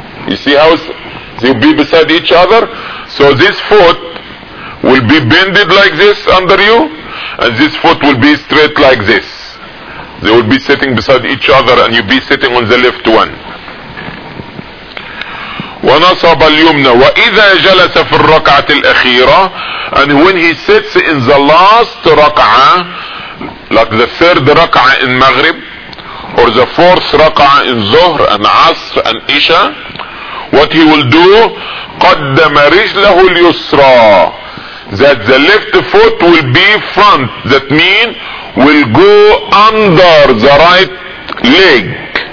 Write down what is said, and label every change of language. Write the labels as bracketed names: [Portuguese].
[English] You see how they will be beside each other? So this foot will be bended like this under you, and this foot will be straight like this. They will be sitting beside each other, and you'll be sitting on the left one. [Arabic] ونصب اليمنى وإذا جلس في الركعة الأخيرة. [English] And when he sits in the last ركعة, like the third ركعة in Maghrib, or the fourth ركعة in Zuhr and Asr and Isha, what he will do, [Arabic] قدم رجله اليسرى, [English] that the left foot will be front, that mean will go under the right leg.